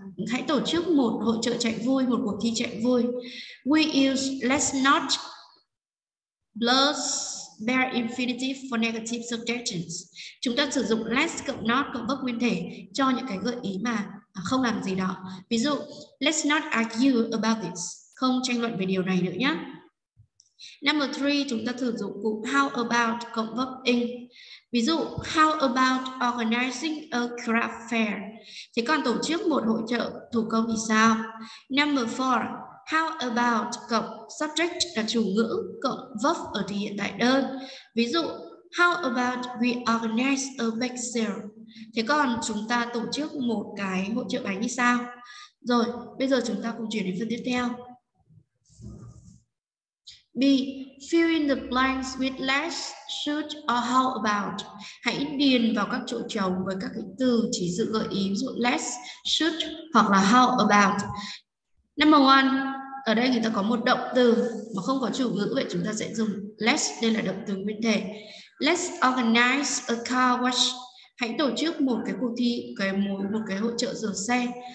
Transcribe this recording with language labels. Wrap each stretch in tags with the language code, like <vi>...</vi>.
<vi>Hãy tổ chức một hội chợ chạy vui, một cuộc thi chạy vui.</vi> <en>We use let's not plus bare infinitive for negative suggestions.</en> <vi>Chúng ta sử dụng let's cộng not cộng verb nguyên thể cho những cái gợi ý mà không làm gì đó. Ví dụ,</vi> <en>let's not argue about this.</en> <vi>Không tranh luận về điều này nữa nhé. Number three, chúng ta sử dụng cụm how about cộng verb ing. Ví dụ,</vi> <en>how about organizing a craft fair?</en> <vi>Thế còn tổ chức một hội chợ thủ công thì sao?</vi> <en>Number four, how about</en> <vi>cộng subject là chủ ngữ cộng verb ở thể hiện tại đơn. Ví dụ,</vi> <en>how about we organize a bake sale?</en> <vi>Thế còn chúng ta tổ chức một cái hội chợ bánh như sao? Rồi, bây giờ chúng ta cùng chuyển đến phần tiếp theo. B.</vi> <en>Fill in the blanks with let's, should, or how about.</en> <vi>Hãy điền vào các chỗ trống với các cái từ chỉ dự gợi ý, ví dụ let's, should, hoặc là how about. Number one, ở đây người ta có một động từ mà không có chủ ngữ, vậy chúng ta sẽ dùng let's, đây là động từ nguyên thể.</vi> <en>Let's organize a car wash.</en> <vi>Hãy tổ chức một cái cuộc thi, một cái hỗ trợ rửa xe.</vi>